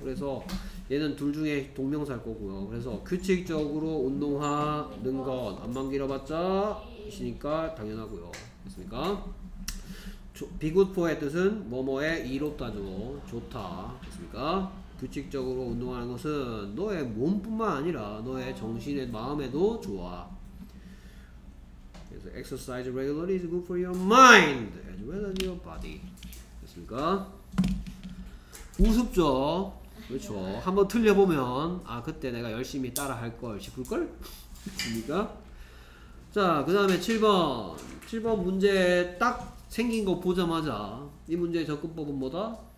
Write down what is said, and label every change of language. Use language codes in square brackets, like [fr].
[ko] 그래서 얘는 둘 중에 동명사일 거고요. 그래서 규칙적으로 운동하는 것 안만 길어봤자 이시니까 당연하고요. 됐습니까? [en] Be good for [ko] 의 뜻은 뭐뭐에 이롭다죠. 좋다. 됐습니까? 규칙적으로 운동하는 것은 너의 몸뿐만 아니라 너의 정신의 마음에도 좋아. 그래서 [en] exercise regularly is good for your mind as well as your body. [ko] 됐습니까? 우습죠? 그렇죠. 한번 틀려보면 아 그때 내가 열심히 따라할 걸 싶을걸? 됐습니까? 자 그 다음에 7번 문제 딱 생긴 거 보자마자 이 문제의 접근법은 뭐다?